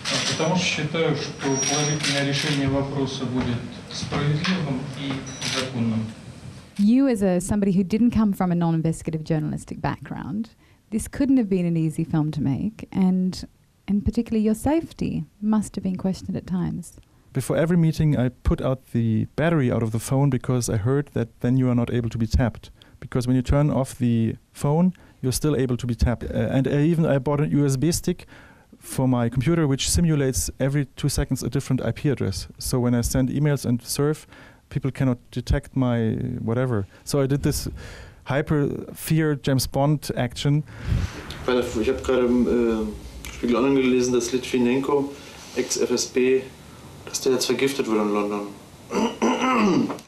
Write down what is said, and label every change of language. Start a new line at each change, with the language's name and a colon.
Russian: Потому что считаю, что положительное решение вопроса будет справедливым и законным.
English: You as somebody who didn't come from a non-investigative journalistic background, this couldn't have been an easy film to make, and particularly your safety must have been questioned at times. Before every meeting, I put out the battery out of the phone because I heard that then you are not able to be tapped. Because when you turn off the phone, you're still able to be tapped. And I bought a USB stick for my computer, which simulates every 2 seconds a different IP address. So when I send emails and surf, people cannot detect my whatever. So I did this hyper fear James Bond action.
German: Ich habe gerade im Spiegel Online gelesen, dass Litvinenko, ex-FSB, dass der jetzt vergiftet wurde in London.